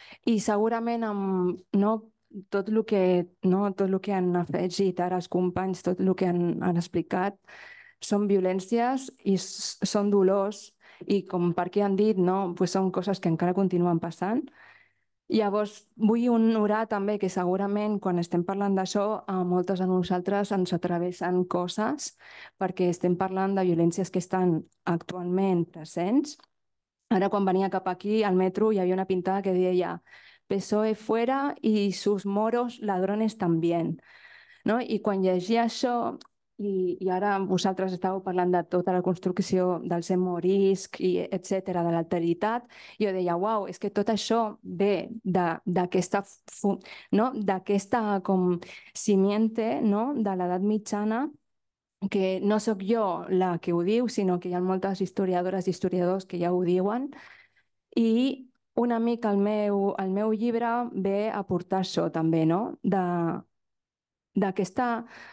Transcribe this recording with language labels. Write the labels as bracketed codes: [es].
[ca] I segurament amb, no, tot el que, no, tot el que han afegit ara els companys, tot el que han explicat, són violències i són dolors, i com per què han dit, no, pues són coses que encara continuen passant. Llavors, vull honorar també que segurament quan estem parlant d'això, a moltes de nosaltres ens atreveixen coses, perquè estem parlant de violències que estan actualment presents. Ara, quan venia cap aquí al metro, hi havia una pintada que deia PSOE [es] fuera y sus moros ladrones también. [ca] No? I quan llegia això, i ara vosaltres estàveu parlant de tota la construcció del ser morisc, i etc, de l'alteritat, jo deia, uau, és que tot això ve d'aquesta, no? D'aquesta com simiente, no? De l'edat mitjana, que no sóc jo la que ho diu, sinó que hi ha moltes historiadores i historiadors que ja ho diuen, i una mica el meu llibre ve a portar això també, no? D'aquesta...